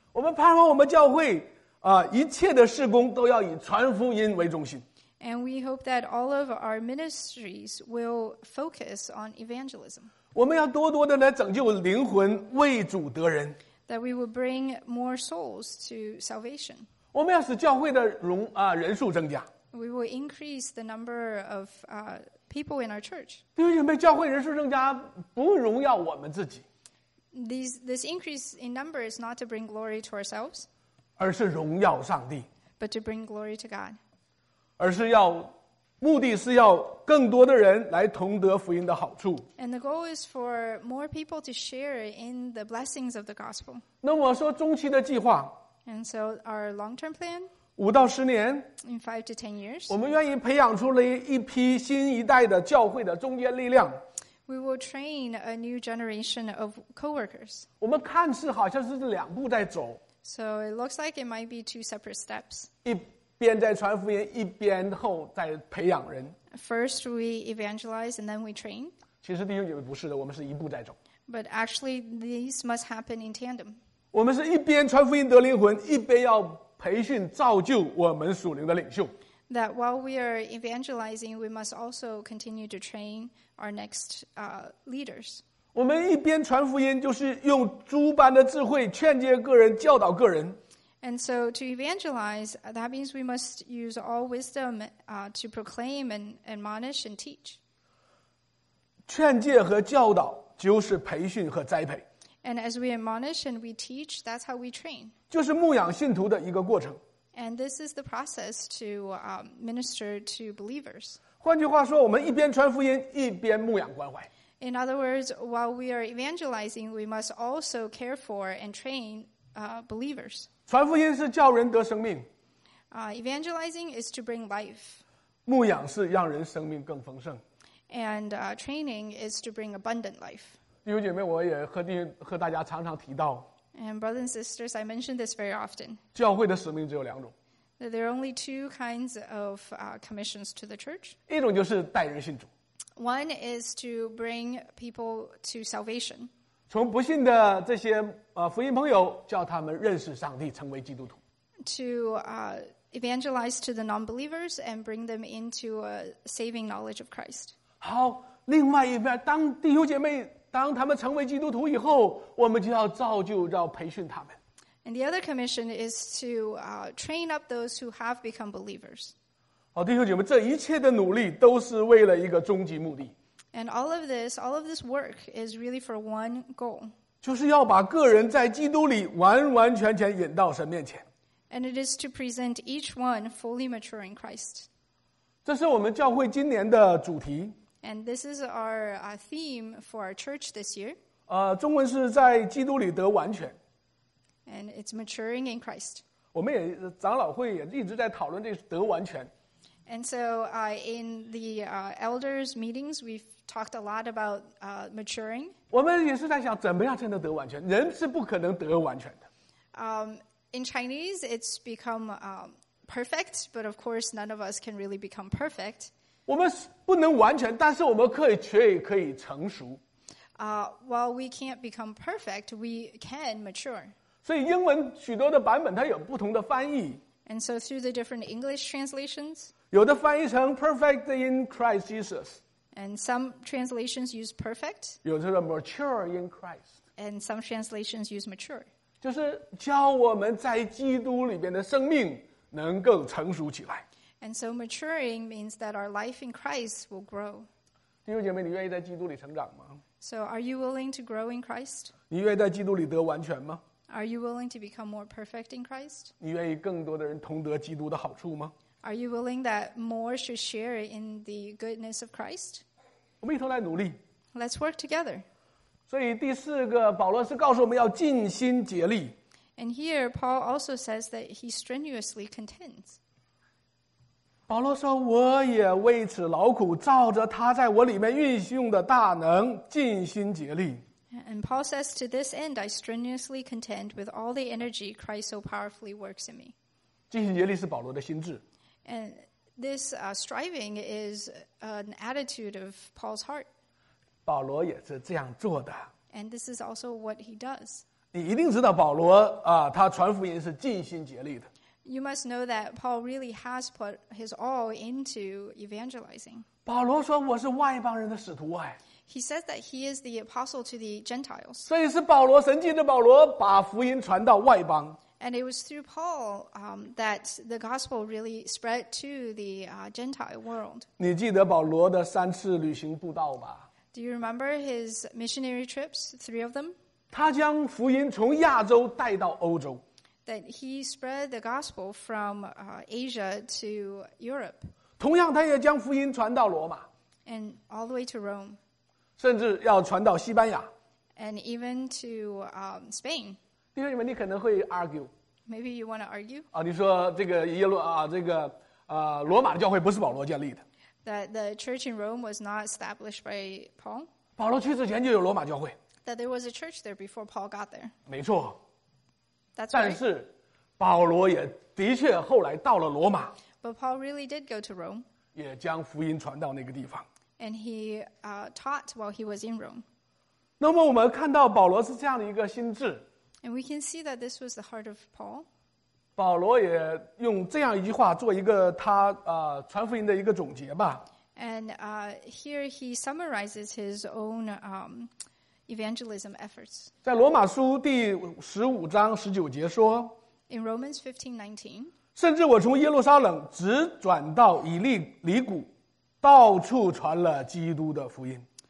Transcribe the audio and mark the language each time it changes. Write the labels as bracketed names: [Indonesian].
[Chinese] 我们盼望我们教会一切的事工都要以传福音为中心。 [English] And we hope that all of our ministries will focus on evangelism. [Chinese] 我们要多多的来拯救灵魂，为主得人。 [English] That we will bring more souls to salvation. [Chinese] 我们要使教会的人数增加。 [English] We will increase the number of people in our church. [Chinese] 弟兄姐妹，教会人数增加不荣耀我们自己。 [English] This increase in number is not to bring glory to ourselves. [Chinese] 而是荣耀上帝。 [English] But to bring glory to God. [Chinese] 而是要目的是要更多的人来同得福音的好处。 [English] And the goal is for more people to share in the blessings of the gospel. [Chinese] 那么说中期的计划。 [English] And so our long-term plan. [Chinese] 5到10年 [English] In 5 to 10 years, [Chinese] 我们愿意培养出了一批新一代的教会的中坚力量。 [English] We will train a new generation of co-workers. [Chinese] 我们看似好像是两步在走。 [English] So it looks like it might be 2 separate steps. [Chinese] 一边在传福音，一边后在培养人。 [English] First we evangelize and then we train. [Chinese] 其实弟兄姐妹不是的，我们是一步在走。 [English] But actually these must happen in tandem. [Chinese] 我们是一边传福音得灵魂，一边要培训造就我们属灵的领袖。 [English] That while we are evangelizing, we must also continue to train our next leaders. [Chinese] 我们一边传福音，就是用猪般的智慧劝诫个人，教导个人。 [English] And so to evangelize, that means we must use all wisdom to proclaim and admonish and teach. [Chinese] 劝诫和教导就是培训和栽培。 [English] And as we admonish and we teach, that's how we train. [Chinese] 就是牧养信徒的一个过程。 [English] And this is the process to minister to believers. [Chinese] 换句话说，我们一边传福音，一边牧养关怀。 [English] In other words, while we are evangelizing, we must also care for and train believers. [Chinese] 传福音是叫人得生命。 [English] Evangelizing is to bring life. [Chinese] 牧养是让人生命更丰盛。 [English] And training is to bring abundant life. [Chinese] 弟兄姐妹，我也和大家常常提到。 [English] And brothers and sisters, I mention this very often. [Chinese] 教会的使命只有两种。 [English] There are only 2 kinds of commissions to the church. [Chinese] 一种就是带人信主。 [English] One is to bring people to salvation. [Chinese] 从不信的这些福音朋友，叫他们认识上帝，成为基督徒。 [English] To evangelize to the non-believers and bring them into a saving knowledge of Christ. [Chinese] 好，另外一边，当弟兄姐妹当他们成为基督徒以后，我们就要造就，要培训他们。 [English] And the other commission is to train up those who have become believers. [Chinese] 好，弟兄姐妹，这一切的努力都是为了一个终极目的。 [English] And all of this work is really for one goal. [Chinese] 就是要把个人在基督里完完全全引到神面前。 [English] And it is to present each one fully mature in Christ. [Chinese] 这是我们教会今年的主题。 [English] And this is our theme for our church this year. [Chinese] 中文是在基督里得完全。 [English] And it's maturing in Christ. [Chinese] 我们也长老会也一直在讨论这得完全。 [English] And so, in the elders' meetings, we've talked a lot about maturing. [Chinese] 我们也是在想怎么样才能得完全。人是不可能得完全的。 [English] In Chinese, it's become perfect, but of course, none of us can really become perfect. [Chinese] 我们不能完全，但是我们却可以成熟。 [English] While we can't become perfect, we can mature. [Chinese] 所以英文许多的版本它有不同的翻译。 [English] And so, through the different English translations. [Chinese] 有的翻译成 [English] perfect in Christ Jesus. And some translations use perfect. [Chinese] 有的是 [English] mature in Christ. And some translations use mature. [Chinese] 就是教我们在基督里边的生命能够成熟起来。 [English] And so maturing means that our life in Christ will grow. [Chinese] 弟兄姐妹，你愿意在基督里成长吗？ [English] So are you willing to grow in Christ? [Chinese] 你愿意在基督里得完全吗？ [English] Are you willing to become more perfect in Christ? [Chinese] 你愿意更多的人同得基督的好处吗？ [English] Are you willing that more should share in the goodness of Christ? [Chinese] 我们一同来努力。 [English] Let's work together. [Chinese] 所以第四个，保罗是告诉我们要尽心竭力。 [English] And here, Paul also says that he strenuously contends. [Chinese] 保罗说，我也为此劳苦，照着他在我里面运用的大能，尽心竭力。 [English] And Paul says, to this end, I strenuously contend with all the energy Christ so powerfully works in me. [Chinese] 尽心竭力是保罗的心志。 [English] And this striving is an attitude of Paul's heart. [Chinese] 保罗也是这样做的。 [English] And this is also what he does. [Chinese] 你一定知道保罗他传福音是尽心竭力的。 [English] You must know that Paul really has put his all into evangelizing. [Chinese] 保罗说我是外邦人的使徒哎。 [English] He says that he is the apostle to the Gentiles. [Chinese] 所以是保罗，神借着保罗把福音传到外邦。 [English] And it was through Paul that the gospel really spread to the Gentile world. [Chinese] 你记得保罗的三次旅行布道吧？ [English] Do you remember his missionary trips, three of them? [Chinese] 他将福音从亚洲带到欧洲。 [English] That he spread the gospel from Asia to Europe. [Chinese] 同样他也将福音传到罗马。 [English] And all the way to Rome. [Chinese] 甚至要传到西班牙。 [English] And even to Spain. [Chinese] 弟兄姐妹，你可能会 argue. [English] Maybe you want to argue. [Chinese] 你说这个耶路这个罗马的教会不是保罗建立的。 [English] That the church in Rome was not established by Paul. [Chinese] 保罗去之前就有罗马教会。 [English] That there was a church there before Paul got there. [Chinese] 没错。 [English] That's right. [Chinese] 但是保罗也的确后来到了罗马。 [English] But Paul really did go to Rome. [Chinese] 也将福音传到那个地方。 [English] And he taught while he was in Rome. [Chinese] 那么我们看到保罗是这样的一个心志。 [English] And we can see that this was the heart of Paul. [Chinese] 保罗也用这样一句话做一个他传福音的一个总结吧。 [English] And here he summarizes his own evangelism efforts. [Chinese] 在罗马书第十五章十九节说。 [English] In Romans 15:19. [Chinese] 甚至我从耶路撒冷直转到以利里谷，到处传了基督的福音。